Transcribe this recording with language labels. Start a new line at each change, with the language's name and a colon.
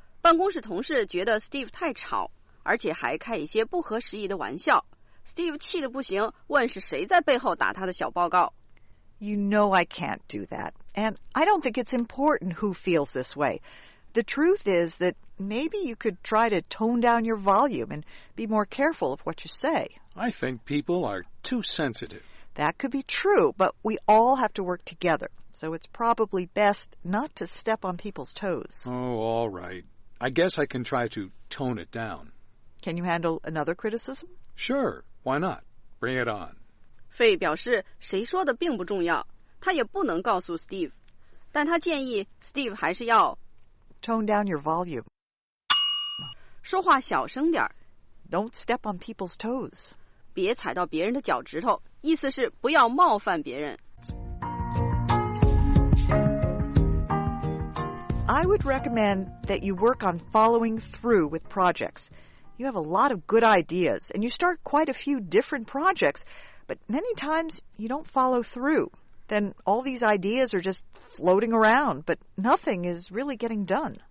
Chinese: 办公室同事觉得 Steve 太吵，而且还开一些不合时宜的玩笑。 Steve 气得不行，问是谁在背后打他的小报告。
English: You know I can't do that, and I don't think it's important who feels this way. The truth is that maybe you could try to tone down your volume and be more careful of what you say. I think people are too sensitive. That could be true, but we all have to work together, so it's probably best not to step on people's toes. Oh, all right. I guess I can try to tone it down. Can you handle another criticism? Sure, why not? Bring it on.
Chinese: 费表示谁说的并不重要，他也不能告诉 Steve， 但他建议 Steve 还是要
English: tone down your volume.
Chinese: 说话小声点。
English: Don't step on people's toes.
Chinese: 别踩到别人的脚趾头，意思是不要冒犯别人。
English: I would recommend that you work on following through with projects. You have a lot of good ideas, and you start quite a few different projects, but many times you don't follow through. Then all these ideas are just floating around, but nothing is really getting done.